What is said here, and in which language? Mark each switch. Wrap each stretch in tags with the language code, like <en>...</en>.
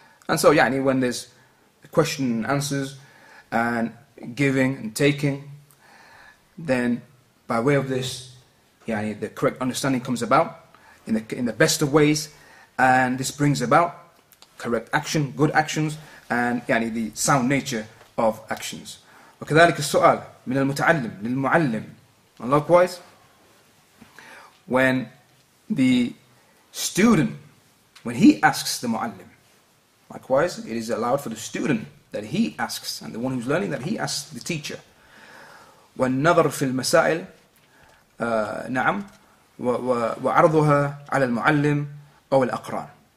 <en>And so, yani, when there's question and answers and giving and taking, then by way of this, yani, the correct understanding comes about in the best of ways, and this brings about correct action, good actions, and yani, the sound nature of actions.</en> <ar>وكذلك السؤال من المتعلم للمعلم.</ar> <en>And likewise, when the student, when he asks the mu'allim, likewise, it is allowed for the student that he asks, and the one who's learning, that he asks the teacher.</en> <ar>والنظر في المسائل نعم وعرضها على المعلم أو الأقران.</ar>